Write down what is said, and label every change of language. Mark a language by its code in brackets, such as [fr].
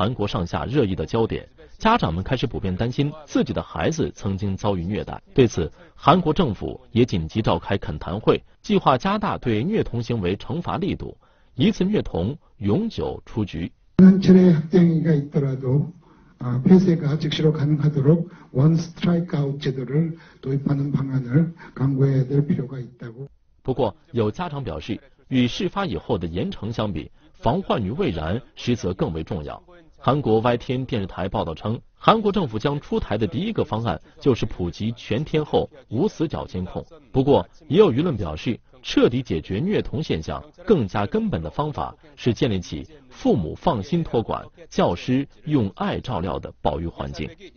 [zh] 本能 [ko] 적인일이일어나겠습니까？ [zh] 与此同时，另外一家托儿所也被曝曾经发生虐童事件，甚至有人透露有教师会把孩子关进黑乎乎的鬼屋进行殴打。一时间，虐童现象成为韩国上下热议的焦点。家长们开始普遍担心自己的孩子曾经遭遇虐待，对此韩国政府也紧急召开恳谈会，计划加大对虐童行为惩罚力度，一次虐童永久出局。 [ko] 지난 전에 학대행위가 있더라도 폐쇄가 즉시로 가능하도록 원 스트라이크 아웃 제도를 도입하는 방안을 강구해야 될 필요가 있다고. [zh] 不过有家长表示，与事发以后的严惩相比，防患于未然实则更为重要。韩国 YTN 电视台报道称，韩国政府将出台的第一个方案就是普及全天候无死角监控。不过，也有舆论表示，彻底解决虐童现象更加根本的方法是建立起父母放心托管、教师用爱照料的保育环境。